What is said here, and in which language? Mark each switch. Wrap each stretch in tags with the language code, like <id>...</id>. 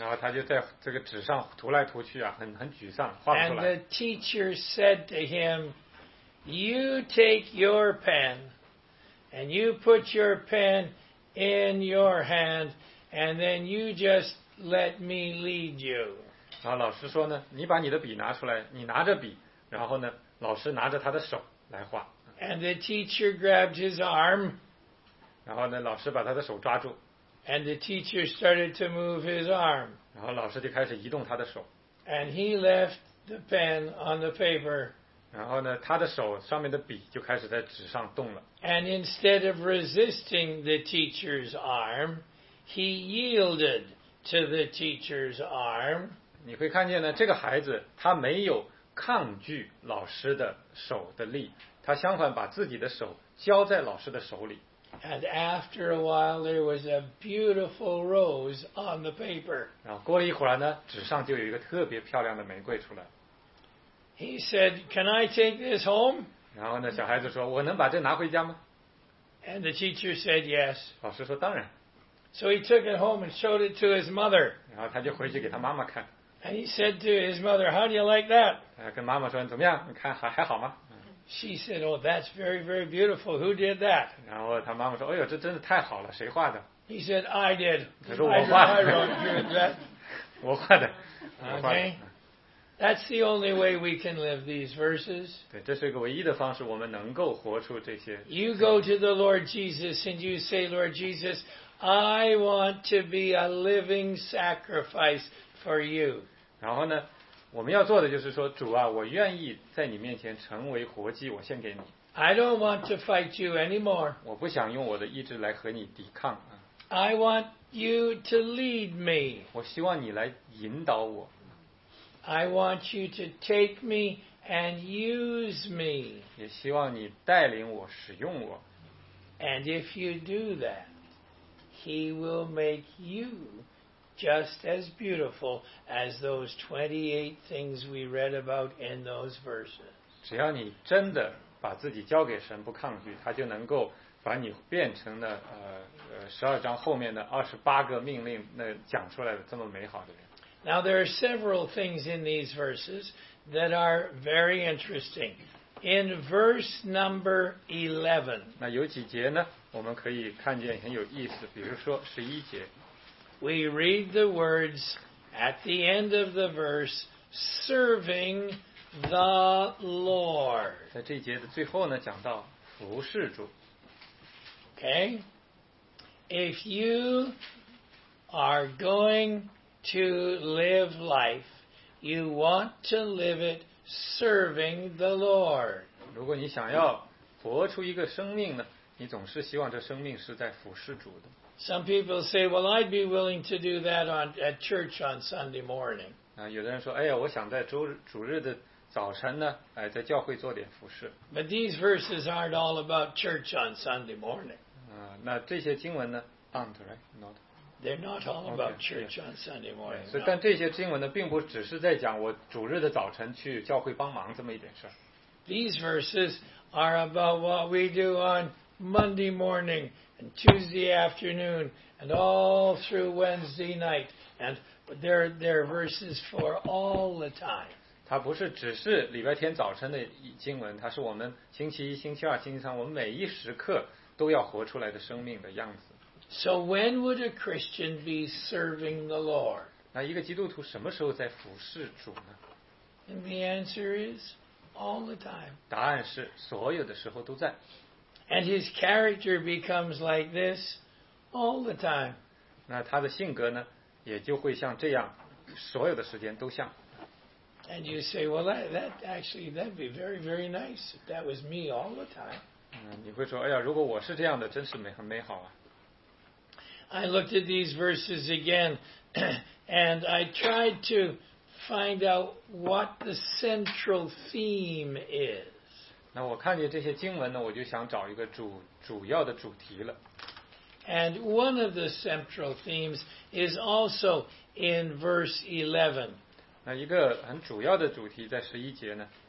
<zh>然后他就在这个纸上涂来涂去啊，很沮丧，画不出来。</zh> <en>And the teacher said to him, "You take your pen, and you put your pen in your hand, and then you just let me lead you."</en> <zh>然后老师说呢，你把你的笔拿出来，你拿着笔，然后呢，老师拿着他的手来画。</zh> <en>And the teacher grabbed his arm.</en> <zh>然后呢，老师把他的手抓住。</zh> <en>And the teacher started to move his arm.</en> <zh>然后老师就开始移动他的手。</zh> <en>And he left the pen on the paper.</en> <zh>然后呢，他的手上面的笔就开始在纸上动了。</zh> <en>And instead of resisting the teacher's arm, he yielded to the teacher's arm.</en> <zh>你会看见呢，这个孩子他没有抗拒老师的手的力。他相反把自己的手交在老师的手里。</zh> <en>And after a while, there was a beautiful rose on the paper.</en> <zh>然后过了一会儿呢，纸上就有一个特别漂亮的玫瑰出来。</zh> <en>He said, "Can I take this home?"</en> <zh>然后呢，小孩子说，我能把这拿回家吗</zh> <en>？And the teacher said, "Yes."</en> <zh>老师说，当然。</zh> <en>So he took it home and showed it to his mother.</en> <zh>然后他就回去给他妈妈看。</zh> <en>And he said to his mother, "How do you like that?"</en> <zh>跟妈妈说，怎么样？你看还好吗？</zh> <en>She said, "Oh, that's very, very beautiful. Who did that?"</en> <zh>然后他妈妈说，哎呦，这真的太好了，谁画的</zh> <en>？He said, "I did."</en> <zh>他说我画的。</zh> <en>I wrote that.</en> <zh>我画的。</zh> <en>Okay. That's the only way we can live these verses.</en> <zh>对，这是一个唯一的方式，我们能够活出这些。</zh> <en>You go to the Lord Jesus and you say, "Lord Jesus, I want to be a living sacrifice for you."</en> <zh>然后呢？我们要做的就是说，主啊，我愿意在你面前成为活祭，我献给你。</zh> <en>I don't want to fight you anymore.</en> <zh>我不想用我的意志来和你抵抗。</zh> <en>I want you to lead me.</en> <zh>我希望你来引导我。</zh> <en>I want you to take me and use me.</en> <zh>也希望你带领我，使用我。</zh> <en>And if you do that, He will make you just as beautiful as those 28 things we read about in those verses.</en> <zh>只要你真的把自己交给神，不抗拒，他就能够把你变成的十二章后面的二十八个命令那讲出来的这么美好的人。</zh> <en>Now there are several things in these verses that are very interesting. In verse number 11.</en> <zh>那有几节呢？我们可以看见很有意思，比如说十一节。</zh> <en>We read the words at the end of the verse, serving the Lord.</en> <zh>在这一节的最后呢，讲到服侍主。</zh> <en>Okay, if you are going to live life, you want to live it serving the Lord.</en> <zh>如果你想要活出一个生命呢，你总是希望这生命是在服侍主的。</zh> <en>Some people say, well, I'd be willing to do that at church on Sunday morning.</en> <zh>有的人说，哎呀，我想在主日的早晨呢，哎，在教会做点服侍。</zh> <en>But these verses aren't all about church on Sunday morning.</en> <zh>那这些经文呢 ？</zh> <en>Aren't right? Not. They're not all about church on Sunday morning.</en> <zh>对，所以但这些经文呢，并不只是在讲我主日的早晨去教会帮忙这么一点事儿。</zh> <en>These verses are about what we do on Monday morning and Tuesday afternoon and all through Wednesday night. And they're verses for all the time.</en> <zh>它不是只是礼拜天早晨的经文，它是我们星期一、星期二、星期三，我们每一时刻都要活出来的生命的样子。</zh> <en>So when would a Christian be serving the Lord?</en> <zh>那一个基督徒什么时候在服侍主呢？</zh> <en>And the answer is all the time.</en> <zh>答案是所有的时候都在。</zh> <en>And his character becomes like this all the time.</en> <zh>那他的性格呢，也就会像这样，所有的时间都像。</zh> <en>And you say, well, that actually that'd be very, very nice if that was me all the time.</en> <zh>你会说，哎呀，如果我是这样的，真是美，很美好啊。</zh> <en>I looked at these verses again, and I tried to find out what the central theme is.</en> <zh>那我看见这些经文呢，我就想找一个主要的主题了。</zh> <en>And one of the central themes is also in verse 11.</en> <zh>那一个很主要的主题在十一节呢。</zh>